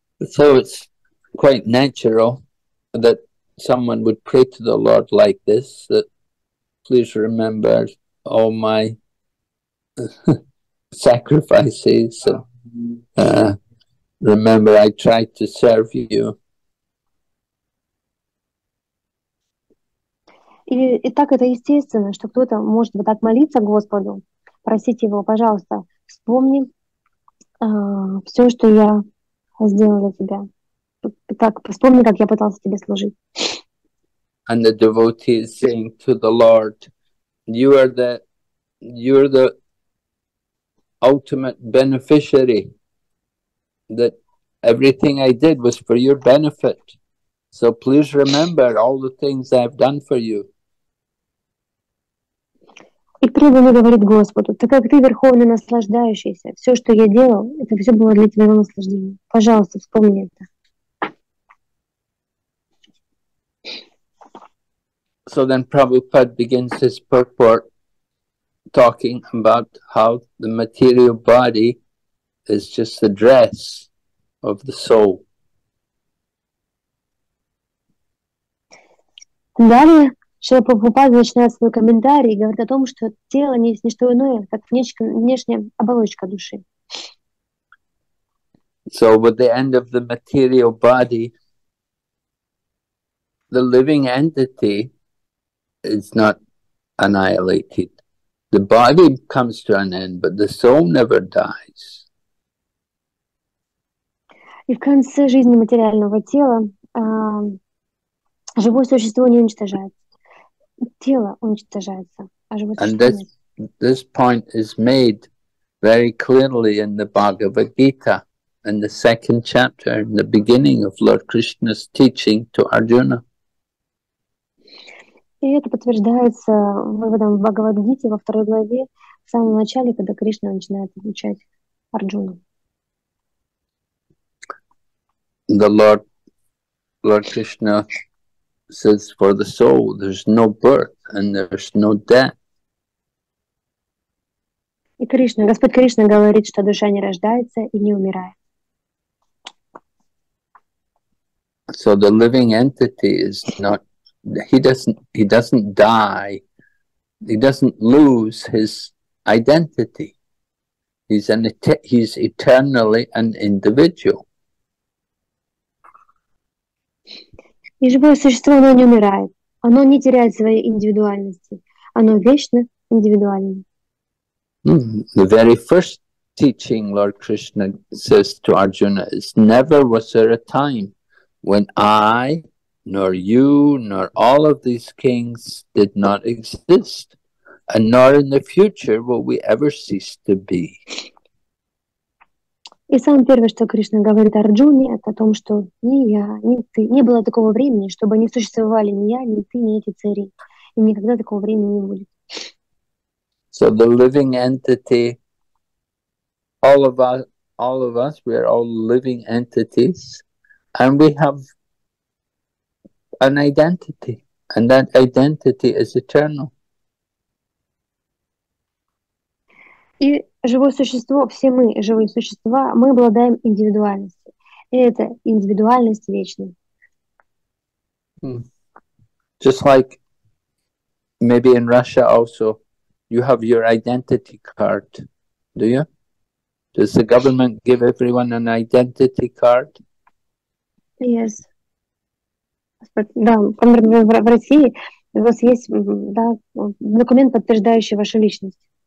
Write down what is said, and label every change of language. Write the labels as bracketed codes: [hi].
[en] So it's quite natural that someone would pray to the Lord like this, that please remember all my sacrifices. Remember, I tried to serve you. [ru] И так это естественно, что кто-то может вот так молиться Господу, просить его, пожалуйста, вспомни все, что я сделал для тебя. Так, вспомни, как я пытался тебе служить. [en] And the devotee is saying to the Lord, you are the ultimate beneficiary, that everything I did was for your benefit. So please remember all the things I've done for you. [ru] И преданный говорит Господу, так как ты верховный наслаждающийся, все, что я делал, это все было для твоего наслаждения. Пожалуйста, вспомни это. [en] So then Prabhupada begins his purport talking about how the material body is just the dress of the soul. [ru] Далее Шрила Прабхупада начинает свой комментарий и говорит о том, что тело не есть ничто иное, как внешняя оболочка души. [en] So with the end of the material body, the living entity is not annihilated. The body comes to an end, but the soul never dies. [ru] И в конце жизни материального тела живое существо не уничтожается. Тело уничтожается, а живое существо нет. [en] And this point is made very clearly in the Bhagavad Gita, in the second chapter, in the beginning of Lord Krishna's teaching to Arjuna. [ru] И это подтверждается выводом в Бхагавад-гите во второй главе, в самом начале, когда Кришна начинает обучать Арджуну. [en] The Lord Krishna says, for the soul, there's no birth and there's no death. [ru] И Кришна, Господь Кришна говорит, что душа не рождается и не умирает. [en] So the living entity is not, he doesn't die, he doesn't lose his identity. He's eternally an individual. [ru] И живое существо, оно не умирает. Оно не теряет своей индивидуальности. Оно вечно индивидуально. [en] The very first teaching Lord Krishna says to Arjuna is, never was there a time when I, nor you, nor all of these kings did not exist, and nor in the future will we ever cease to be. [ru] И самое первое, что Кришна говорит Арджуне, это о том, что ни я, ни ты, не было такого времени, чтобы не существовали ни я, ни ты, ни эти цари. И никогда такого времени не будет. [en] So the living entity, all of us, we are all living entities, and we have an identity, and that identity is eternal. [ru] И живое существо, все мы живые существа, мы обладаем индивидуальностью. И это индивидуальность вечная. [en] Just like maybe in Russia also, you have your identity card, do you? Does the government give everyone an identity card? Yes. [ru] Да, в России у вас есть, да, документ, подтверждающий вашу личность.